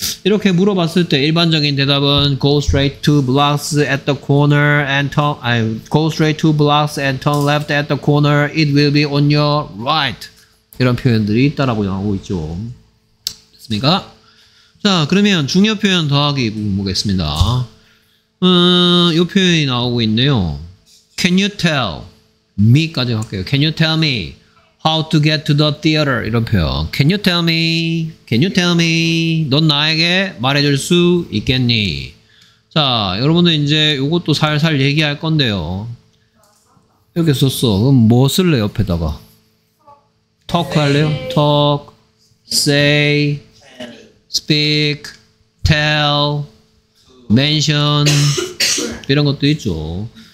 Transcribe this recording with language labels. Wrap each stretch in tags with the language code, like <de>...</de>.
<ko>이렇게 물어봤을 때 일반적인 대답은</ko> <en>go straight to blocks at the corner and turn go straight to blocks and turn left at the corner. It will be on your right.</en> <ko>이런 표현들이 따라 보여하고 있죠. 됐습니까? 자, 그러면 중요 표현 더하기 부분 보겠습니다. 이 표현이 나오고 있네요.</ko> <en>Can you tell me</en> <ko>까지 할게요.</ko> <en>Can you tell me how to get to the theater?</en> <ko>이런 표현.</ko> <en>Can you tell me? Can you tell me?</en> <ko>넌 나에게 말해줄 수 있겠니? 자, 여러분들 이제 이것도 살살 얘기할 건데요. 이렇게 썼어. 그럼 뭐 쓸래 옆에다가? Talk 할래요? Talk, say, speak, tell, mention 이런 것도 있죠.</ko>